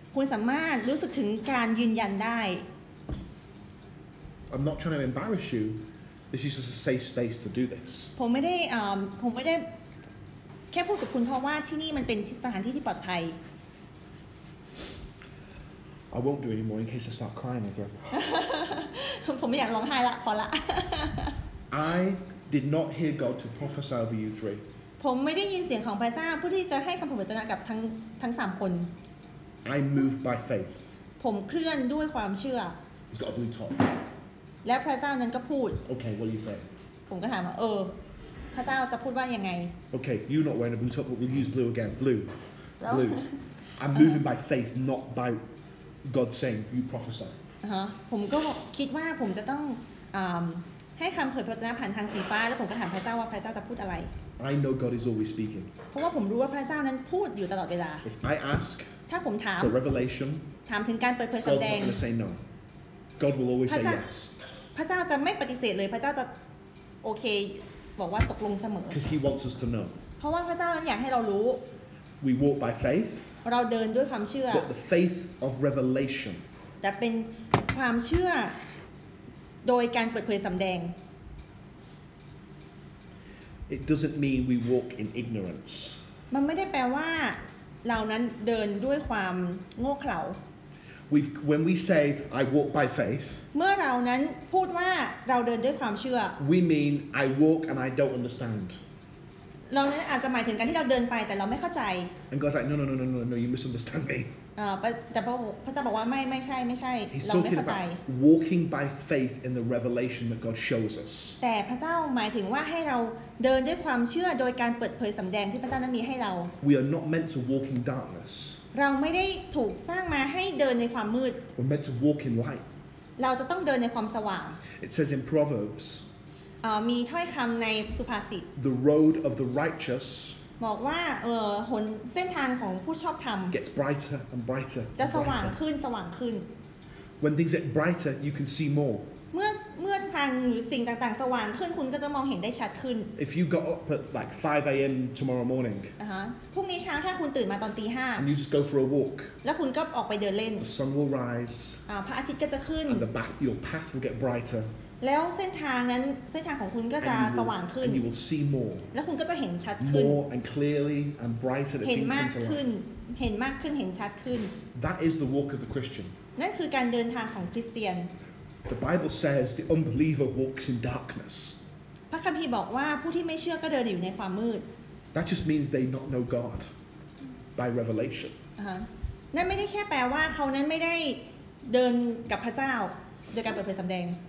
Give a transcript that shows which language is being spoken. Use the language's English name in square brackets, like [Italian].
[Thai] คุณสามารถรู้สึกถึงการยืนยันได้ [English] I'm not trying to embarrass you this is just a safe space to do this [Thai] ผมไม่ได้แค่พูดกับคุณเพราะว่าที่นี่มันเป็นสถานที่ที่ปลอดภัย [English] I won't do any more in case I start crying again [Thai] ผมไม่อยากร้องไห้ละพอละ [English] I did not hear God to prophesy over you three [Thai] ผมไม่ได้ยินเสียงของพระเจ้าผู้ที่จะให้คำเผยพระวจนะกับทั้ง3คน [English] I moved by faith [Thai] ผมเคลื่อนด้วยความเชื่อ [English] He's got a blue top [Thai] และพระเจ้านั้นก็พูด [English] Okay what do you say [Thai] ผมก็ถามว่าพระเจ้าจะพูดว่ายังไง [English] Okay, you're not wearing a blue top, but we'll use blue again. Blue. I'm moving by faith, not by God saying you prophesy. [Thai] ผมก็คิดว่าผมจะต้อง ให้คำเผยพระวจนะผ่านทางสีฟ้าแล้วผมก็ถามพระเจ้าว่าพระเจ้าจะพูดอะไร [English] I know God is always speaking [Thai] เพราะว่าผมรู้ว่าพระเจ้านั้นพูดอยู่ตลอดเวลา [English] If I ask [Thai] ถ้าผมถาม [English] for revelation [Thai] ถามถึงการเปิดเผยสำแดง [English] God will say no God will always say yes [Thai] พระเจ้าจะไม่ปฏิเสธเลยพระเจ้าจะโอเคบอกว่าตกลงเสมอ [English] Because he wants us to know [Thai] เพราะว่าพระเจ้านั้นอยากให้เรารู้ [English] We walk by faith [Thai] เราเดินด้วยความเชื่อ [English] But the faith of revelation [Thai] แต่เป็นความเชื่อโดยการเปิดเผยสำแดง [English] It doesn't mean we walk in ignorance [Thai] มันไม่ได้แปลว่าเรานั้นเดินด้วยความโง่เขลา [English] When we say I walk by faith [Thai] เมื่อเรานั้นพูดว่าเราเดินด้วยความเชื่อ [English] We mean I walk and I don't understand [Thai] เราอาจจะหมายถึงการที่เราเดินไปแต่เราไม่เข้าใจ [English] And God's like no you misunderstand me [Thai] แต่พระเจ้าบอกว่าไม่ใช่เราไม่เข้าใจ [English] Walking by faith in the revelation that God shows us [Thai] แต่พระเจ้าหมายถึงว่าให้เราเดินด้วยความเชื่อโดยการเปิดเผยสำแดงที่พระเจ้านั้นมีให้เรา [English] We are not meant to walk in darkness [Thai] เราไม่ได้ถูกสร้างมาให้เดินในความมืด [English] We're meant to walk in light [Thai] เราจะต้องเดินในความสว่าง [English] It says in Proverbs [Thai] มีถ้อยคำในสุภาษิต [English] The road of the righteous [Thai] บอกว่าหนเส้นทางของผู้ชอบธรรม [English] gets brighter and brighter [Thai] จะสว่างขึ้นสว่างขึ้น [English] When things get brighter you can see more [Thai] เมื่อทางหรือสิ่งต่างๆสว่างขึ้นคุณก็จะมองเห็นได้ชัดขึ้น [English] If you got up at like 5 a.m. tomorrow morning [Thai] พรุ่งนี้เช้าถ้าคุณตื่นมาตอนตีห้า [English] and you just go for a walk [Thai] แล้วคุณก็ออกไปเดินเล่น [English] the sun will rise [Thai] พระอาทิตย์ก็จะขึ้น [English] and your path will get brighter [Thai] แล้วเส้นทางนั้นเส้นทางของคุณก็จะสว่างขึ้น [English] and you will see more [Thai] แล้วคุณก็จะเห็นชัดขึ้น [English] more and clearly and brighter [Thai] เห็นมากขึ้นเห็นมากขึ้นเห็นชัดขึ้น [English] that is the walk of the Christian [Thai] นั่นคือการเดินทางของคริสเตียน [English] the Bible says the unbeliever walks in darkness [Thai] พระคัมภีร์บอกว่าผู้ที่ไม่เชื่อก็เดินอยู่ในความมืด [English] that just means they not know God by revelation [Thai] นั่นไม่ได้แค่แปลว่าเขานั้นไม่ได้เดินกับพระเจ้าโดยการเปิดเผยสำแดง